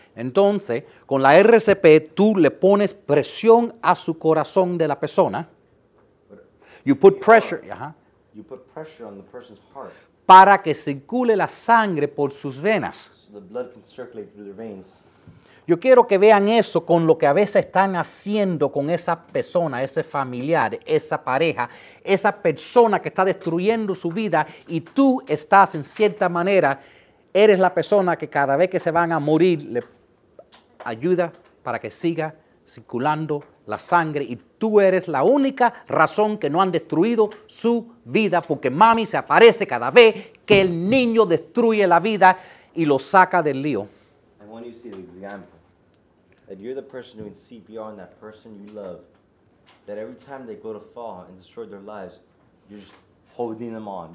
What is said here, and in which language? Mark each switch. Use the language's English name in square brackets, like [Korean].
[Spanish] Entonces, con la RCP, tú le pones presión a su corazón de la persona. [English] You put pressure. You put pressure on the person's heart. [Spanish] Para que circule la sangre por sus venas. [English] So the blood can circulate through their veins. [Spanish] Yo quiero que vean eso con lo que a veces están haciendo con esa persona, ese familiar, esa pareja, esa persona que está destruyendo su vida y tú estás en cierta manera, eres la persona que cada vez que se van a morir le ayuda para que siga circulando la sangre y tú eres la única razón que no han destruido su vida porque mami se aparece cada vez que el niño destruye la vida y lo saca del lío. [English] When you see the example that you're the person doing CPR on that person you love, that every time they go to fall and destroy their lives, you're just holding them on.